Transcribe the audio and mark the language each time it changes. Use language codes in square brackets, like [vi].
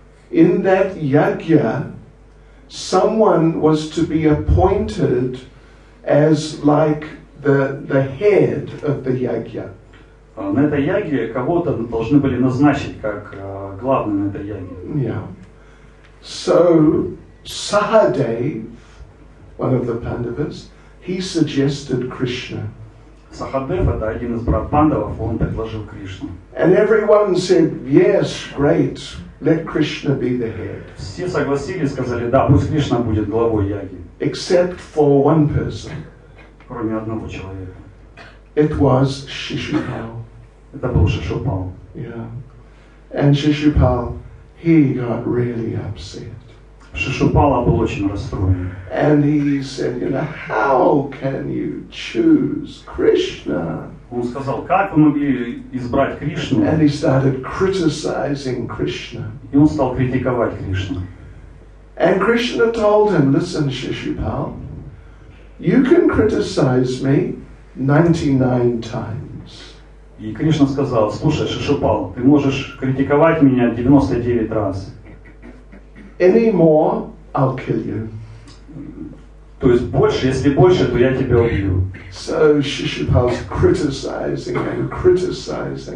[en] In that yagya, someone was to be appointed as like the head of the yagya. [ru] На этой ягье кого-то должны были назначить как главным на этой ягье. [en] Yeah. So Sahadev, one of the Pandavas, he suggested Krishna. [ru] Сахадев, это один из брат Пандавов, он предложил Кришну. [en] And everyone said, yes, great, let Krishna be the head. [ru] Все согласились, сказали, да, пусть Кришна будет главой Яги. [en] Except for one person. [ru] Кроме одного человека. [en] It was Shishupal. [ru] Это был Шишупал. [en] Yeah. And Shishupal, he got really upset. [ru] Шишупала был очень расстроен. [en] And he said, you know, how can you choose Krishna? [ru] Он сказал, как вы могли избрать Кришну? [en] And he started criticizing Krishna. [ru] И он стал критиковать Кришну. [en] And Krishna told him, listen, Shishupal, you can criticize me 99 times. [ru] И Кришна сказал, слушай, Шишупал, ты можешь критиковать меня 99 раз. [en] Any more, I'll kill you. [ru] То есть больше, если больше, то я тебя убью. [en] So Shishupal's criticizing and criticizing.